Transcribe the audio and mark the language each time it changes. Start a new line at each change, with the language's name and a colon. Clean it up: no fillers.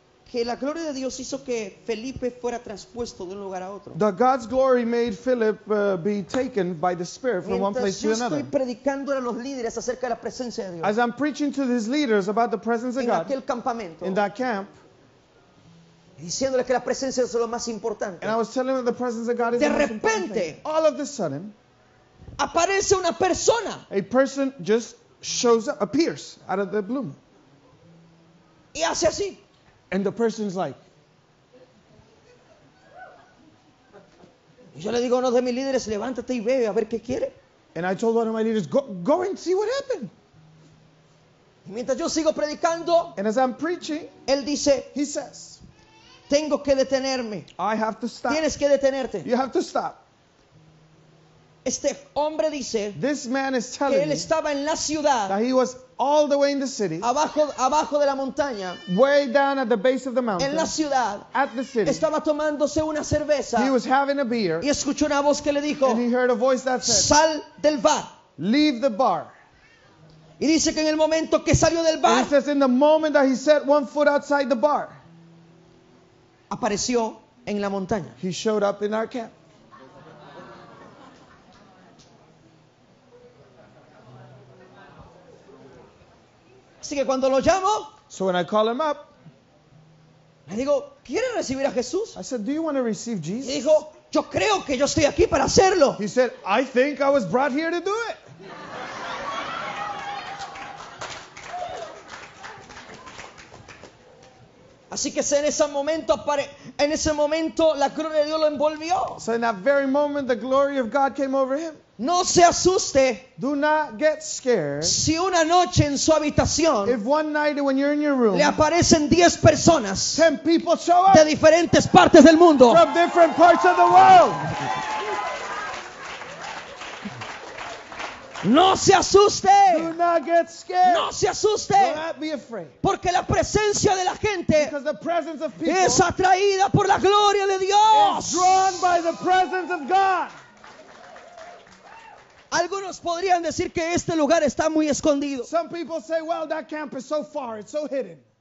Spanish: que la gloria de Dios hizo que Felipe fuera traspuesto de un lugar a otro.
English: That God's glory made Philip be taken by the Spirit from
Spanish: mientras
English: one place to another.
Spanish: Estoy predicando a los líderes acerca de la presencia de Dios.
English: As I'm preaching to these leaders about the presence of
Spanish: en
English: God.
Spanish: En aquel campamento.
English: In that camp.
Spanish: Diciéndoles que la presencia es lo más importante.
English: And I was telling them that the presence of God is
Spanish: de repente,
English: all of a sudden,
Spanish: aparece una persona.
English: A person just shows up, appears out of the bloom.
Spanish: Y hace así.
English: And the person's like.
Spanish: Y yo le digo a uno de mis líderes, levántate y ve a ver qué quiere.
English: And I told one of my leaders, go and see what happened.
Spanish: Y mientras yo sigo predicando,
English: and as I'm preaching,
Spanish: él dice,
English: he says,
Spanish: tengo que detenerme.
English: I have to stop.
Spanish: Tienes que detenerte.
English: You have to stop.
Spanish: Este hombre dice,
English: this man is telling
Spanish: que él estaba en la ciudad,
English: that he was all the way in the city,
Spanish: abajo de la montaña,
English: way down at the base of the mountain,
Spanish: en la ciudad,
English: at the city,
Spanish: estaba tomándose una cerveza,
English: he was having a beer,
Spanish: y escuchó una voz que le dijo,
English: and he heard a voice that said,
Spanish: sal del bar,
English: leave the bar.
Spanish: Y dice que en el momento que salió del bar,
English: and he says in the moment that he set one foot outside the bar,
Spanish: apareció en la montaña.
English: He showed up in our camp.
Spanish: Así que cuando lo llamo,
English: so when I call him up,
Spanish: Le digo, ¿quieres recibir a Jesús?
English: I said, do you want to receive Jesus?
Spanish: Y dijo, yo creo que yo estoy aquí para hacerlo.
English: He said, I think I was brought here to do it.
Spanish: Así que en ese momento, la gloria de Dios lo envolvió.
English: So in that very moment, the glory of God came over him.
Spanish: No se asuste.
English: Do not get scared.
Spanish: Si una noche en su habitación,
English: if one night when you're in your room,
Spanish: le aparecen 10 personas,
English: 10 people show up,
Spanish: de diferentes partes del mundo,
English: from different parts of the world.
Spanish: No se asuste.
English: Do not get scared.
Spanish: No se asuste.
English: Do not be afraid.
Spanish: Porque la presencia de la gente,
English: because the presence of people,
Spanish: es atraída por la gloria de Dios,
English: is drawn by the presence of God.
Spanish: Algunos podrían decir que este lugar está muy escondido.
English: Some people say, well, that camp is so far, it's so hidden.